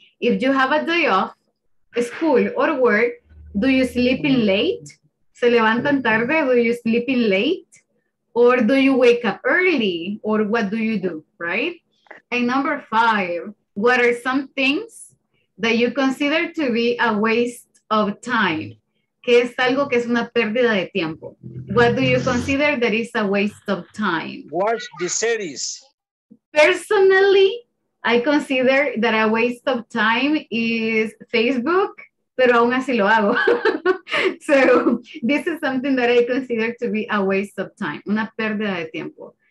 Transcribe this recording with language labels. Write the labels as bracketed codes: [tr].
[en] If you have a day off, school or work, do you sleep in late? ¿Se levantan tarde? Do you sleep in late? Or do you wake up early? Or what do you do, right? And number five, what are some things that you consider to be a waste of time? [es] ¿Qué es algo que es una pérdida de tiempo? [en] What do you consider that is a waste of time? Watch the series. Personally, I consider that a waste of time is Facebook, pero aún así lo hago. So this is something that I consider to be a waste of time, una pérdida de tiempo.